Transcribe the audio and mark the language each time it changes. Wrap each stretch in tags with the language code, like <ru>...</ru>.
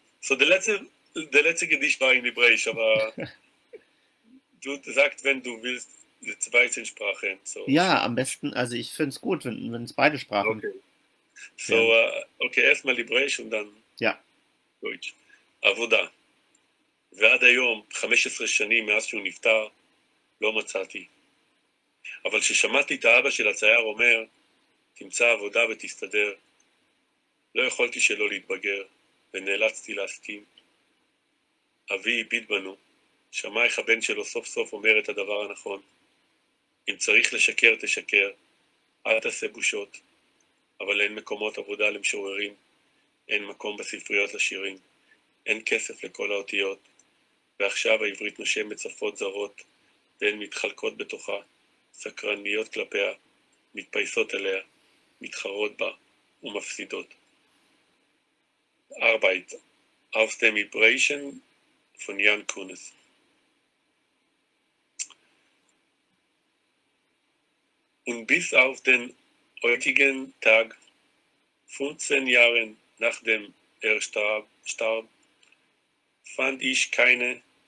<de>So, der letzte Gedicht war in Hebräisch, aber du sagst, wenn du willst, die 12 Sprachen. So. Ja, am besten, also ich finde es gut, wenn es beide Sprachen Okay. So, wären. okay, erstmal Hebräisch und dann Ja. Deutsch. Avoda.</de> <he>ועד היום, 15 שנים מאז שהוא נפטר, לא מצאתי. אבל כששמעתי את האבא של הצייר אומר, תמצא עבודה ותסתדר, לא יכולתי שלא להתבגר, ונאלצתי להסכים. אבי הביט בנו, שמע איך הבן שלו סוף סוף אומר את הדבר הנכון. אם צריך לשקר, תשקר, אל תעשה בושות. אבל אין מקומות עבודה למשוררים, אין מקום בספריות לשירים, אין כסף לכל האותיות. ועכשיו העברית נושמת שפות זרות, והן מתחלקות בתוכה, סקרניות כלפיה, מתפייסות אליה, מתחרות בה ומפסידות.</he> <de>Arbeit aus dem Hebräischen von Jan Kunz. Und bis auf den heutigen Tag, 15 Jahre nachdem er starb, fand ich keine.</de>